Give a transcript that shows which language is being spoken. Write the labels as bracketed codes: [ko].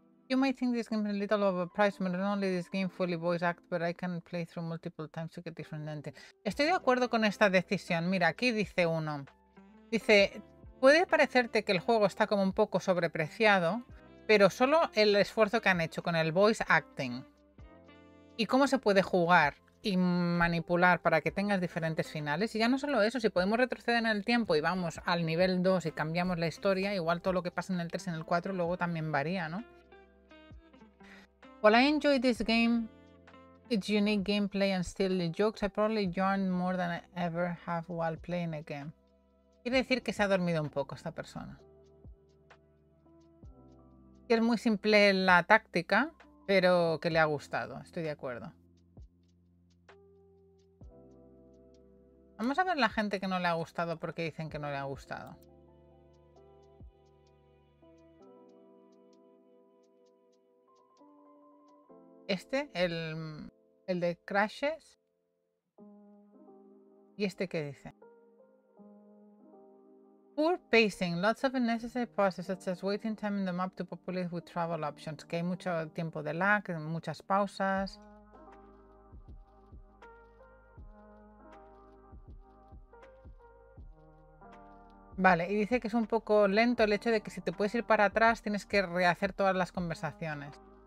[en] You might think this game is a little overpriced, but not only this game fully voice act, but I can play through multiple times to get different ending. [es] Estoy de acuerdo con esta decisión. Mira, aquí dice uno. Dice, puede parecerte que el juego está como un poco sobrepreciado, pero solo el esfuerzo que han hecho con el voice acting y cómo se puede jugar y manipular para que tengas diferentes finales. Y ya no solo eso, si podemos retroceder en el tiempo y vamos al nivel 2 y cambiamos la historia, igual todo lo que pasa en el 3 y en el 4 luego también varía, ¿no? [en] While I enjoy this game, its unique gameplay and silly jokes, I probably yawned more than I ever have while playing a game. [es] Quiere decir que se ha dormido un poco esta persona. Es muy simple la táctica, pero que le ha gustado, estoy de acuerdo. Vamos a ver la gente que no le ha gustado porque dicen que no le ha gustado. Este, el de Crashes. ¿Y este qué dice? [en] Poor pacing. Lots of unnecessary pauses, such as waiting time in the map to populate with travel options. [es] Que hay mucho tiempo de lag, muchas pausas. Vale, y dice que es un poco lento el hecho de que si te puedes ir para atrás tienes que rehacer todas las conversaciones.